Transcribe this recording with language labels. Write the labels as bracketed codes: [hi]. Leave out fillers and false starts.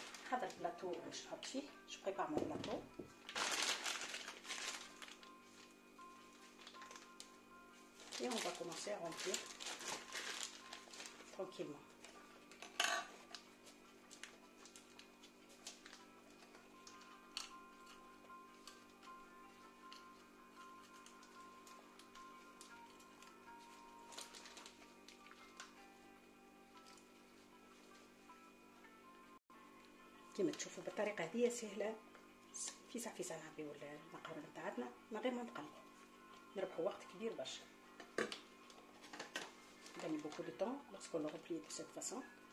[ar] هذا البلاطو باش نحط فيه [fr] جو بريبار مون بلاطو. Et on va commencer à remplir tranquillement. [ar] كما تشوفوا بالطريقة هذه سهلة فيسع فيسع نعبيو المقارنة تاعتنا من غير ما نقلقو. نربحو وقت كبير برشا. [fr] Gagner beaucoup de temps lorsqu'on le replie de cette façon.